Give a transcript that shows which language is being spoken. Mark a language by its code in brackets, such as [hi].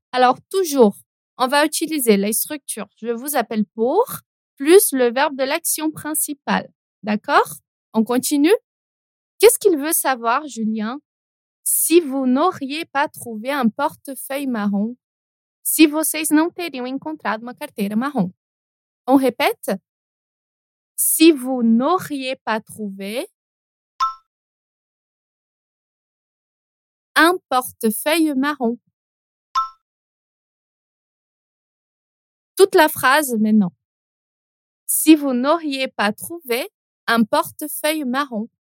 [fr] Alors toujours, on va utiliser la structure « je vous appelle pour » plus le verbe de l'action principale. D'accord? On continue? Qu'est-ce qu'il veut savoir, Julien? Se vous n'auriez pas trouvé un portefeuille marron? [pt] Se vocês não teriam encontrado uma carteira marrom? [fr] On répète? Se vous n'auriez pas trouvé un portefeuille marron. Toute la phrase maintenant. Si vous n'auriez pas trouvé un portefeuille marron.